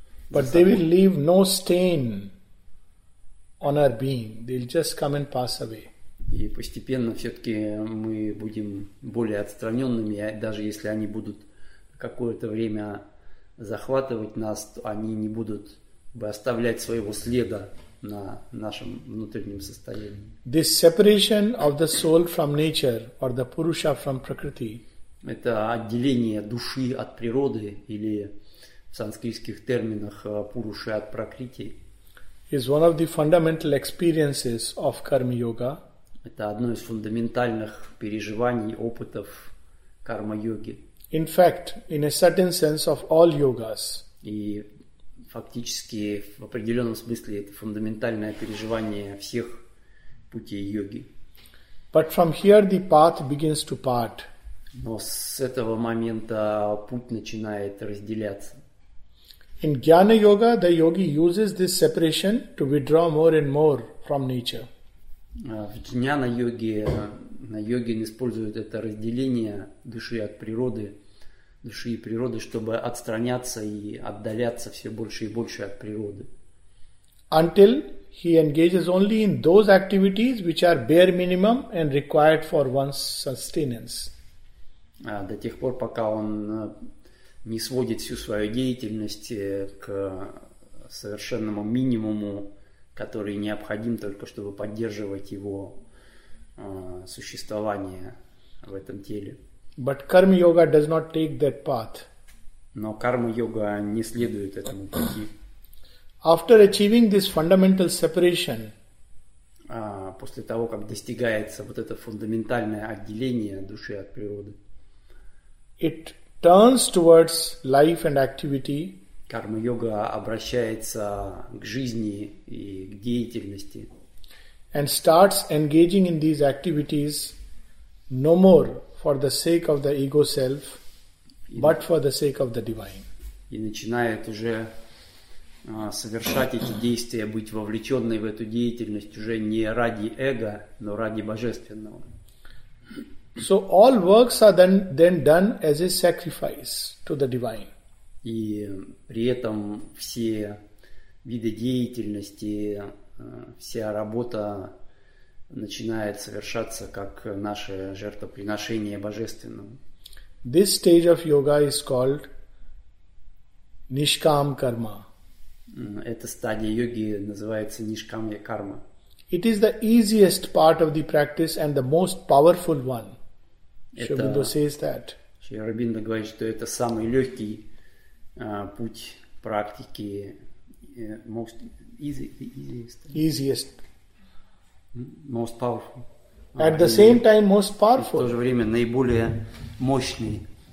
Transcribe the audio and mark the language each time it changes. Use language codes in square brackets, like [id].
[en] But they will leave no stain on our being. They'll just come and pass away. [ru] И постепенно все-таки мы будем более отстраненными, даже если они будут какое-то время захватывать нас, то они не будут бы оставлять своего следа на нашем внутреннем состоянии. [en] This separation of the soul from nature or the purusha from prakriti. [ru] Это отделение души от природы или в санскритских терминах пуруши от пракрити. [en] Is one of the fundamental experiences of karma yoga. [ru] Это одно из фундаментальных переживаний, опытов карма йоги. [en] In fact, in a certain sense of all yogas. [ru] И фактически в определенном смысле это фундаментальное переживание всех путей йоги. [en] But from here the path begins to part. [ru] Но с этого момента путь начинает разделяться. [en] In jnana yoga, the yogi uses this separation to withdraw more and more from nature. [ru] В jnana йоге йогин использует это разделение души от природы, души и природы, чтобы отстраняться и отдаляться все больше и больше от природы. [en] Until he engages only in those activities which are bare minimum and required for one's sustenance. [ru] До тех пор, пока он не сводит всю свою деятельность к совершенному минимуму, который необходим только, чтобы поддерживать его существование в этом теле. [en] But karma yoga does not take that path. [ru] Но карма-йога не следует этому пути. [en] After achieving this fundamental separation, [ru] после того, как достигается вот это фундаментальное отделение души от природы, [en] it turns towards life and activity. [ru] Карма-йога обращается к жизни и к деятельности. [en] And starts engaging in these activities no more for the sake of the ego self, but for the sake of the divine. [ru] И начинает уже совершать эти действия, быть вовлеченной в эту деятельность уже не ради эго, но ради божественного. [en] So all works are then done as a sacrifice to the divine. [ru] И при этом все виды деятельности, вся работа начинает совершаться как наше жертвоприношение божественному. [en] This stage of yoga is called Nishkam Karma. [ru] Эта стадия йоги называется Нишкамья Карма. [en] It is the easiest part of the practice and the most powerful one. Шривинда says that. [ru] Шривинда говорит, что это самый легкий путь практики, [en] most easiest. Most powerful. At the same time, most powerful. [ru] В то же время наиболее мощный.